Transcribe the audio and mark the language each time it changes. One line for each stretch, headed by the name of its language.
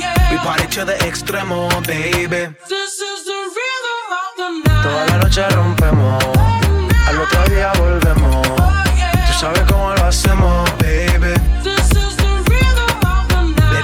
English: We party to the extremo, baby. This is the rhythm of the night.
Spanish: Toda la noche rompemos. Al otro día volvemos. Tú sabes cómo lo hacemos, baby.
English: This is the rhythm of the night.